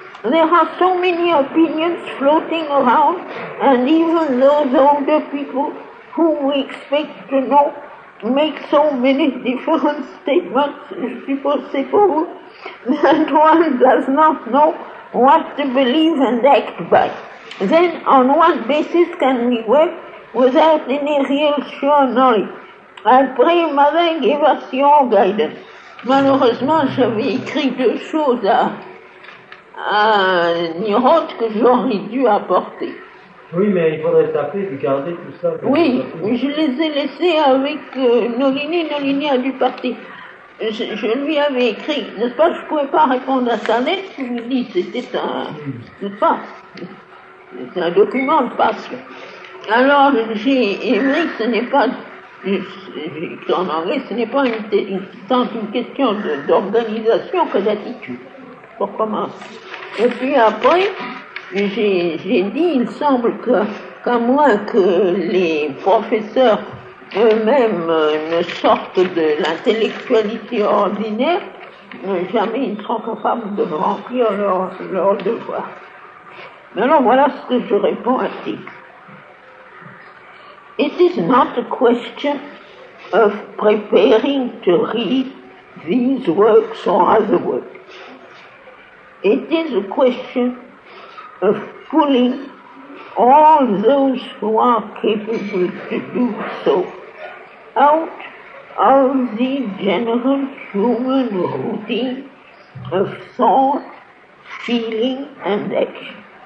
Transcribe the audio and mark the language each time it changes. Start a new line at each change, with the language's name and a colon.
English: There are so many opinions floating around, and even those older people whom we expect to know make so many different statements,
French: je suppose c'est pour vous,
English: that one does not know what to believe and act by. Then, on what basis can we work without any real sure knowledge? I pray, Mother, give us your guidance.
French: Malheureusement, j'avais écrit deux choses à Niroth que j'aurais dû apporter. Oui, mais il faudrait taper et garder tout ça. Oui, je les ai laissés avec Nolini. Nolini a dû partir. Je lui avais écrit, n'est-ce pas, je ne pouvais pas répondre à sa lettre. Je lui dis, c'était un, n'est-ce pas, c'est un document de passion. Alors, j'ai aimé, ce n'est pas, j'ai écrit en anglais, ce n'est pas tant une question d'organisation que d'attitude. Pour commencer. Et puis après, J'ai dit, il semble qu'à moins que les professeurs eux-mêmes ne sortent de l'intellectualité ordinaire, jamais ils ne seront capables de remplir leur devoir. Mais alors voilà ce que je réponds à ça.
English: It is not a question of preparing to read these works or other works. It is a question of pulling all those who are capable to do so out of the general human routine of thought, feeling, and action.